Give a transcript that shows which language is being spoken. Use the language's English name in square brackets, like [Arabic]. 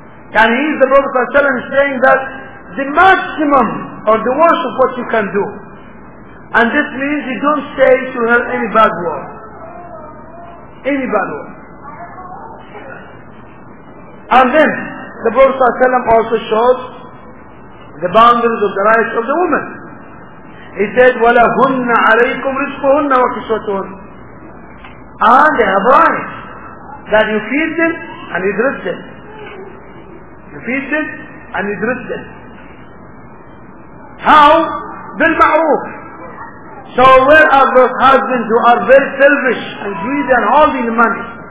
[English] And he, the Prophet ﷺ, is saying that the maximum or the worst of what you can do. And this means you don't say to her any bad word. Any bad word. And then the Prophet ﷺ also shows the boundaries of the rights of the woman. He said, [Arabic] وَلَهُنَّ عَلَيْكُمْ رِزْقُهُنَّ وَكِسْوَتُهُنَّ. [English] And they have rights that you feed them and you dress them. You feed them and you dress them. How? بالمعروف. So where are those husbands who are very selfish and greedy and holding the money?